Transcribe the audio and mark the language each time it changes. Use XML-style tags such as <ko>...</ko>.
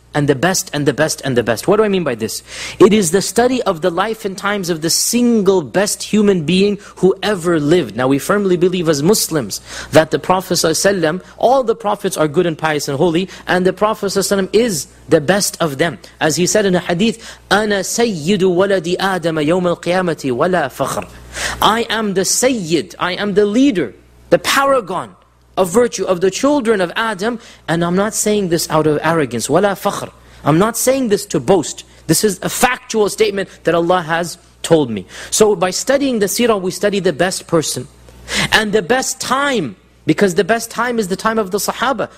<en>and the best and the best and the best. What do I mean by this? It is the study of the life and times of the single best human being who ever lived. Now we firmly believe as Muslims that the Prophet ﷺ, all the Prophets are good and pious and holy, and the Prophet ﷺ is the best of them. As he said in a hadith,</en> <ar>أَنَا سَيِّدُ وَلَدِ آدَمَ يَوْمَ الْقِيَامَةِ وَلَا فَخْرٍ.</ar> <en>I am the Sayyid, I am the leader, the paragon of virtue of the children of Adam, and I'm not saying this out of arrogance.</en> <ar>وَلَا فَخْرٍ.</ar> <en>I'm not saying this to boast. This is a factual statement that Allah has told me. So by studying the seerah, we study the best person and the best time, because the best time is the time of the Sahaba.</en>